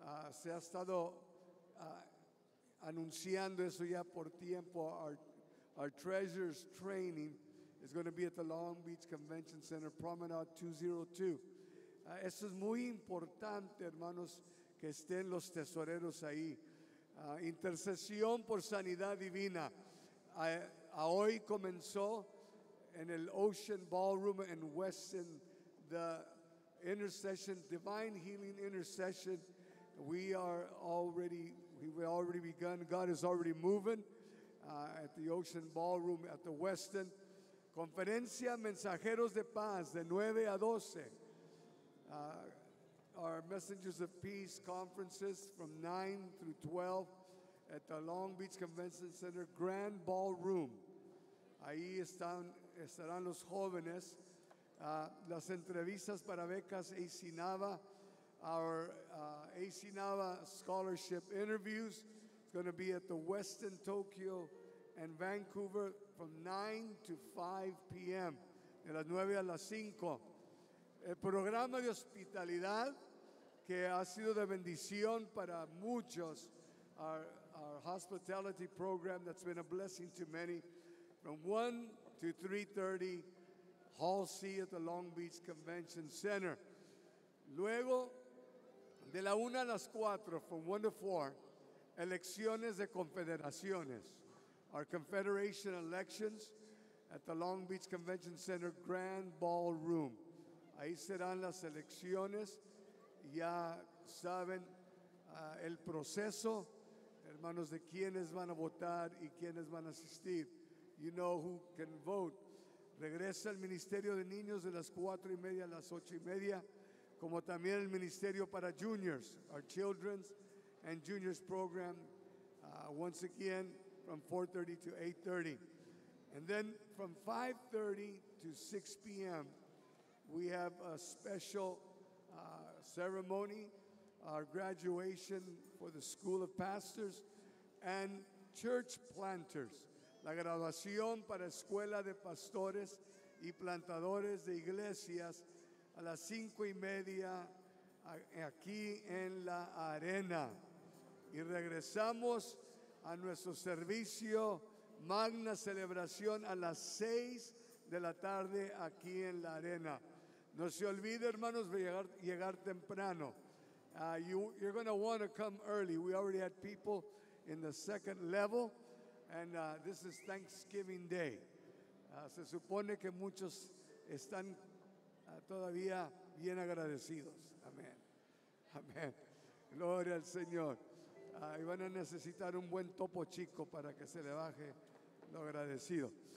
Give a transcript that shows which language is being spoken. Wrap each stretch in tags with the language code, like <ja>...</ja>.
<es>Se ha estado anunciando eso ya por tiempo.</es> <en>Our treasures training is going to be at the Long Beach Convention Center, Promenade 202.</en> <es>Eso es muy importante, hermanos, que estén los tesoreros ahí. Intercesión por sanidad divina. Hoy comenzó en el Ocean Ballroom en Weston,</es> <en>the intercession, divine healing intercession. We already begun. God is already moving at the Ocean Ballroom at the Weston.</en> <es>Conferencia Mensajeros de Paz de 9 a 12.</es> <en>Our Messengers of Peace conferences from 9 through 12 at the Long Beach Convention Center Grand Ballroom.</en> <es>Ahí estarán los jóvenes. Las entrevistas para becas AC Nava.</es> <en>Our AC Nava scholarship interviews is going to be at the Westin Tokyo and Vancouver from 9 to 5 p.m.</en> <es>De las 9 a las 5. El programa de hospitalidad que ha sido de bendición para muchos.</es> <en>Our hospitality program that's been a blessing to many. From 1 to 3:30, Hall C at the Long Beach Convention Center.</en> <es>Luego, de la 1 a las 4,</es> <en>from 1 to 4,</en> <es>elecciones de confederaciones.</es> <en>Our confederation elections at the Long Beach Convention Center Grand Ballroom.</en> <es>Ahí serán las elecciones. Ya saben el proceso, hermanos, de quiénes van a votar y quiénes van a asistir.</es> <en>You know who can vote.</en> <es>Regresa al Ministerio de Niños de las 4:30 a las 8:30, como también el Ministerio para Juniors,</es> <en>our Children's and Juniors Program, once again, from 4:30 to 8:30. And then from 5:30 to 6 p.m., we have a special ceremony, our graduation for the School of Pastors and Church Planters.</en> <es>La graduación para Escuela de Pastores y Plantadores de Iglesias a las 5:30 aquí en la arena. Y regresamos a nuestro servicio Magna Celebración a las 6 de la tarde aquí en la arena. No se olvide, hermanos, de llegar temprano.</es> <en>You're going to want to come early. We already had people in the second level. And this is Thanksgiving Day.</en> <es>Se supone que muchos están todavía bien agradecidos. Amén. Amén. Gloria al Señor. Y van a necesitar un buen topo chico para que se le baje lo agradecido.</es>